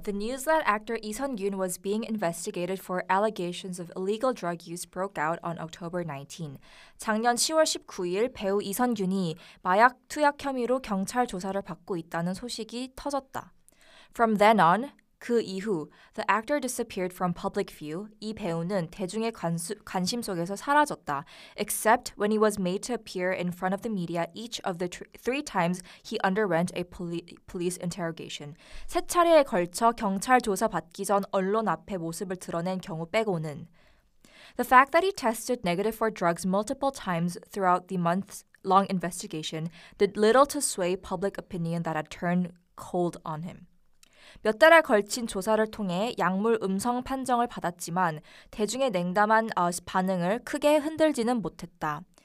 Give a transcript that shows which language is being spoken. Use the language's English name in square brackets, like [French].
[English] The news that actor Lee Sung-kyun was being investigated for allegations of illegal drug use broke out on October 19. [Korean] 작년 10월 19일 배우 이선균이 마약 투약 혐의로 경찰 조사를 받고 있다는 소식이 터졌다. [English] From then on, [Korean] 그 이후, [English] the actor disappeared from public view. [Korean] 이 배우는 대중의 관심 속에서 사라졌다. [English] Except when he was made to appear in front of the media each of the three times he underwent a police interrogation. [Korean] 세 차례에 걸쳐 경찰 조사 받기 전 언론 앞에 모습을 드러낸 경우 빼고는. [English] The fact that he tested negative for drugs multiple times throughout the months-long investigation did little to sway public opinion that had turned cold on him. [Korean] 몇 달에 걸친 조사를 통해 약물 음성 판정을 받았지만 대중의 냉담한 반응을 크게 흔들지는 못했다.